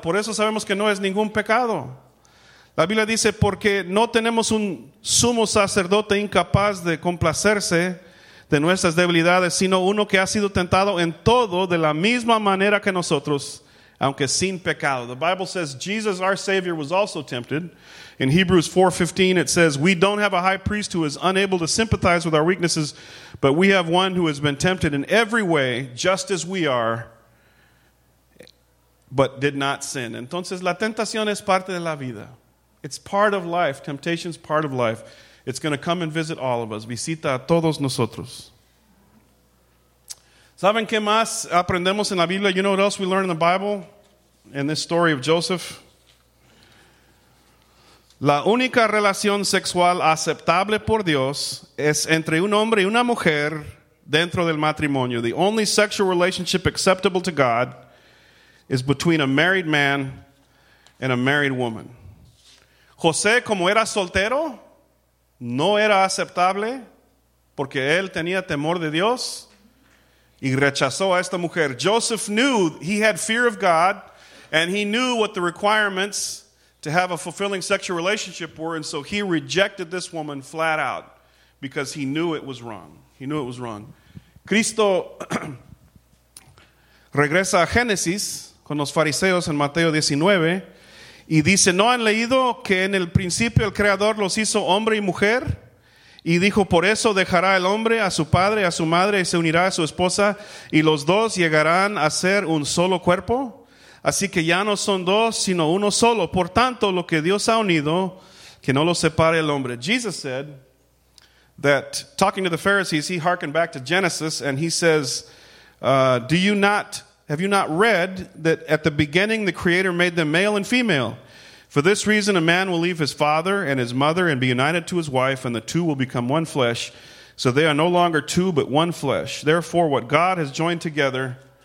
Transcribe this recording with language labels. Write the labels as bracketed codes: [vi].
[es] Por eso sabemos que no es ningún pecado. La Biblia dice, porque no tenemos un sumo sacerdote incapaz de complacerse de nuestras debilidades, sino uno que ha sido tentado en todo de la misma manera que nosotros, aunque sin pecado. [en] The Bible says Jesus, our Savior, was also tempted. In Hebrews 4:15, it says, "We don't have a high priest who is unable to sympathize with our weaknesses, but we have one who has been tempted in every way, just as we are, but did not sin." [es] Entonces, la tentación es parte de la vida. [en] It's part of life. Temptation's part of life. It's going to come and visit all of us. [es] Visita a todos nosotros. ¿Saben qué más aprendemos en la Biblia? [en] You know what else we learn in the Bible? In this story of Joseph? [es] La única relación sexual aceptable por Dios es entre un hombre y una mujer dentro del matrimonio. [en] The only sexual relationship acceptable to God is between a married man and a married woman. [es] José, como era soltero, no era aceptable porque él tenía temor de Dios y rechazó a esta mujer. [en] Joseph knew he had fear of God, and he knew what the requirements to have a fulfilling sexual relationship were, and so he rejected this woman flat out because he knew it was wrong. He knew it was wrong. [es] Cristo regresa a Génesis con los fariseos en Mateo 19, y dice, ¿no han leído que en el principio el Creador los hizo hombre y mujer? Y dijo, por eso dejará el hombre a su padre, a su madre, y se unirá a su esposa, y los dos llegarán a ser un solo cuerpo. Así que ya no son dos, sino uno solo. Por tanto, lo que Dios ha unido, que no lo separe el hombre. [en] Jesus said that, talking to the Pharisees, he hearkened back to Genesis, and he says, Have you not read that at the beginning the Creator made them male and female? For this reason a man will leave his father and his mother and be united to his wife, and the two will become one flesh. So they are no longer two, but one flesh. Therefore, what God has joined together,